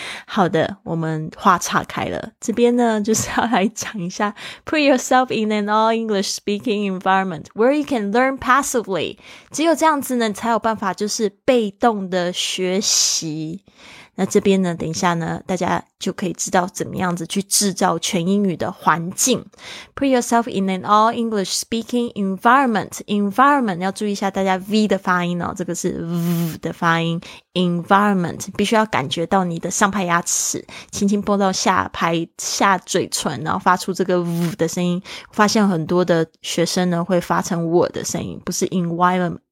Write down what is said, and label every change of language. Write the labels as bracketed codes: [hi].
[zh] 好的，我们话岔开了，这边呢就是要来讲一下 [en] Put yourself in an all English speaking environment where you can learn passively， [zh] 只有这样子呢才有办法就是被动的学习。那这边呢，等一下呢，大家就可以知道怎么样子去制造全英语的环境。 [en] Put yourself in an all English speaking environment. [zh] Environment 要注意一下大家 V 的发音哦，这个是 V 的发音。 Environment 必须要感觉到你的上排牙齿轻轻碰到下排下嘴唇，然后发出这个 V 的声音。发现很多的学生呢会发成我的声音，不是 environment。